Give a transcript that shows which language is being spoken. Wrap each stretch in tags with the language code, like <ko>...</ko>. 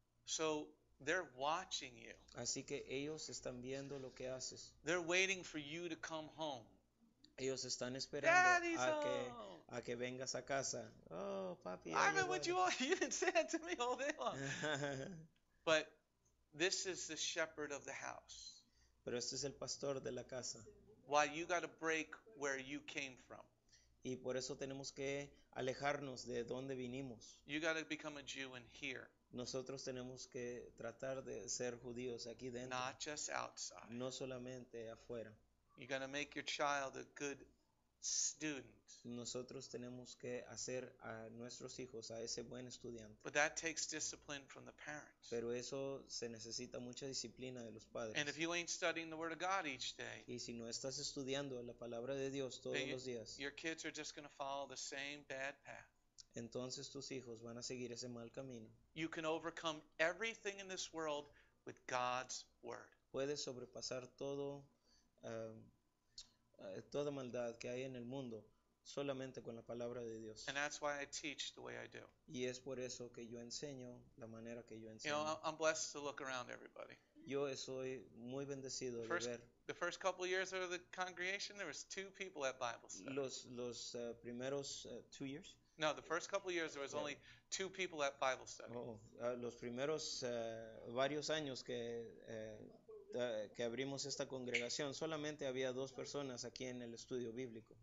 <en>So they're watching you.</en> <es>Así que ellos están viendo lo que haces.</es> <en>They're waiting for you to come home.</en> <es>Ellos están esperando a que vengas a casa. Oh, papi.</es> <en>I mean, what you want? You didn't say that to me all day long. But this is the shepherd of the house.</en> <es>Pero este es el pastor de la casa.</es> <en>Why you got to break where you came from.</en> <es>Y por eso tenemos que alejarnos de donde vinimos.</es> <en>You got to become a Jew in here.</en> <es>Nosotros tenemos que tratar de ser judíos aquí dentro.</es> <en>Not just outside.</en> <es>No solamente afuera.</es> <en>You're going to make your child a good student.</en> <es>Nosotros tenemos que hacer a nuestros hijos a ese buen estudiante.</es> <en>But that takes discipline from the parents.</en> <es>Pero eso se necesita mucha disciplina de los padres.</es> <en>And if you ain't studying the Word of God each day,</en> <es>y si no estás estudiando la palabra de Dios todos los días,</es> <en>your kids are just going to follow the same bad path.</en> <es>Entonces tus hijos van a seguir ese mal camino.</es> <en>You can overcome everything in this world with God's word.</en> <es>Puedes sobrepasar todo toda maldad que hay en el mundo solamente con la palabra de Dios.</es> <en>And that's why I teach the way I do.</en> <es>Y es por eso que yo enseño la manera que yo enseño.</es> <en>You know, I'm blessed to look around everybody.</en> <es>Yo soy muy bendecido de ver.</es> <en>The first couple of years of the congregation, there was two people at Bible study.</en> <es>Los primeros 2 years.</es> <en>No, the first couple of years there was only two people at Bible study.</en> <es>Los primeros varios años que que abrimos esta congregación, solamente había dos personas aquí en el estudio bíblico.</es>